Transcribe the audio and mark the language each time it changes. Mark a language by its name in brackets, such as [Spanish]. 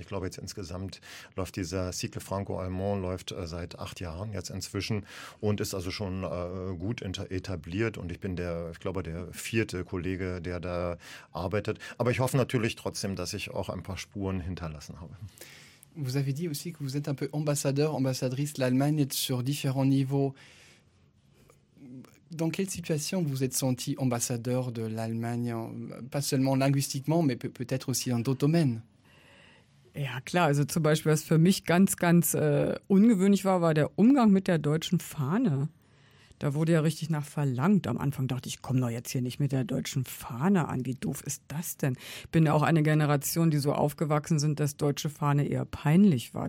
[German] Ich glaube, jetzt insgesamt läuft dieser Cycle Franco-Allemand läuft seit 8 Jahren jetzt inzwischen und ist also schon gut etabliert. Und ich bin der 4. Kollege, der da arbeitet. Aber ich hoffe natürlich trotzdem, dass ich auch ein paar Spuren hinterlassen habe. [French] Vous avez dit aussi que vous êtes un peu ambassadeur, ambassadrice de l'Allemagne sur différents niveaux. Dans quelle situation vous êtes senti ambassadeur de l'Allemagne, pas seulement linguistiquement, mais peut-être aussi dans d'autres domaines? [German] Ja klar, also zum Beispiel, was für mich ganz ungewöhnlich war, war der Umgang mit der deutschen Fahne. Da wurde ja richtig nach verlangt. Am Anfang dachte ich, ich komme doch jetzt hier nicht mit der deutschen Fahne an. Wie doof ist das denn? Ich bin ja auch eine Generation, die so aufgewachsen sind, dass deutsche Fahne eher peinlich war.